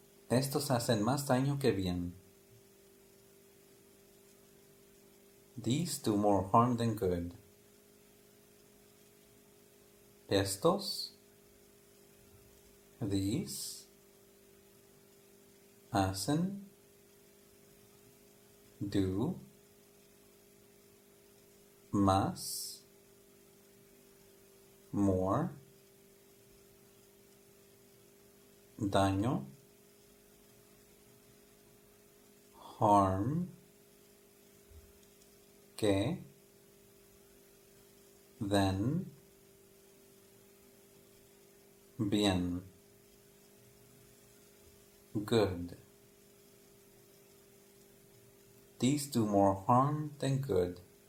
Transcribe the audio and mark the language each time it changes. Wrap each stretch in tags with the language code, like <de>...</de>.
<es>Estos hacen más daño que bien.</es> <en>These do more harm than good.</en> <es>Estos. These. Hacen.</es> <en>Do más more daño harm que then bien good. These do more harm than good.</en>